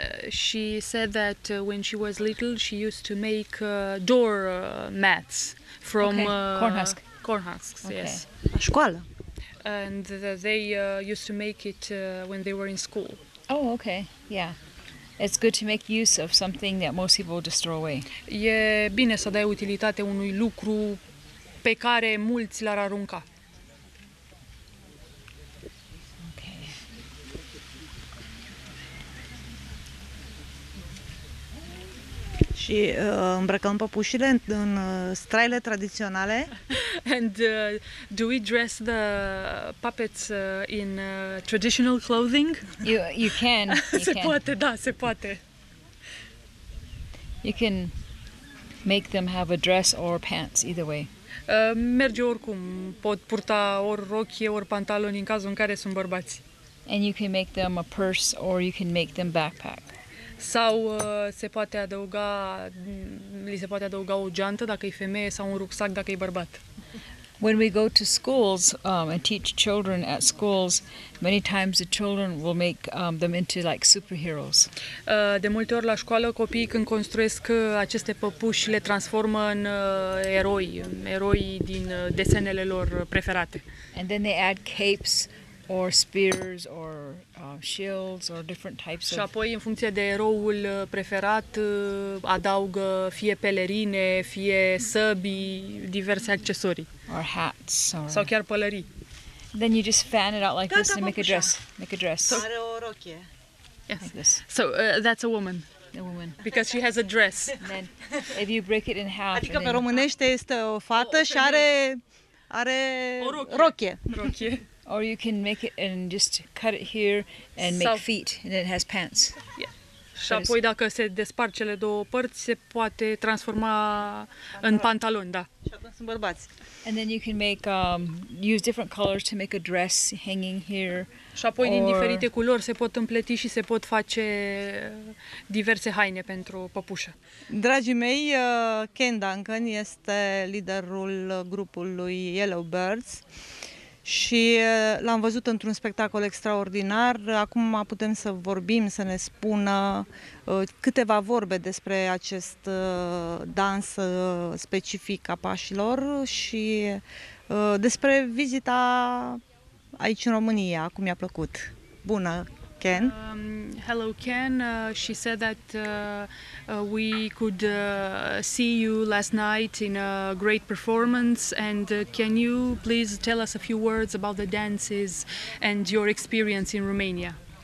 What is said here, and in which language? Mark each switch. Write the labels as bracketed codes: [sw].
[en] She said that when she was little she used to make door mats from corn husks. Okay. Yes. [ro] La școală. [en] And they used to make it when they were in school. Oh, okay. Yeah. It's good to make use of something that most people just throw away. [ro] E bine să dai utilitate unui lucru pe care mulți l-ar arunca. [en] Okay. [ro] Și îmbrăcăm păpușile în straile tradiționale. [en] And do we dress the puppets in traditional clothing? You can. [ro] Se poate, da, se poate. [en] You can make them have a dress or pants, either way. [ro] Merge oricum, pot purta ori rochie, ori pantaloni în cazul în care sunt bărbați. [en] And you can make them a purse or you can make them backpack. [ro] Sau se poate adăuga, li se poate adăuga o geantă dacă e femeie sau un rucsac dacă e bărbat. [en] When we go to schools and teach children at schools, many times the children will make them into like superheroes. [ro] De multe ori la școală copiii când construiesc aceste păpuși le transformă în eroi din desenele lor preferate. [en] And then they add capes or spears or shields or different types of. [ro] Și apoi în funcție de eroul preferat adaugă fie pelerine, fie săbii, diverse accesorii. [en] Or hats or. [ro] Sau chiar pălării. [en] Then you just fan it out like [ro] gata, [en] this and make a dress. Make a dress. [ro] So, are o rochie. [en] Yes. Like so that's a woman. A woman. Because she has a dress. And then if you break it in half. [ro] Adică pe românește este o fată și are o rochie. Rochie. [en] Or you can make it and just cut it here and make feet and it has pants. Yeah. [ro] Și apoi dacă se despart cele două părți se poate transforma în pantaloni, da. Și atunci sunt bărbați. [en] And then you can make use different colors to make a dress hanging here. [ro] Și apoi din diferite culori se pot împleti și se pot face diverse haine pentru păpușă. Dragii mei, Ken Duncan este liderul grupului Yellow Birds. Și l-am văzut într-un spectacol extraordinar. Acum putem să vorbim, să ne spună câteva vorbe despre acest dans specific a pașilor și despre vizita aici în România, cum i-a plăcut. Bună, Ken! [en] Hello, Ken! She said that we could see you last night in a great performance. And can you please tell us a few words about the dances and your experience in Romania?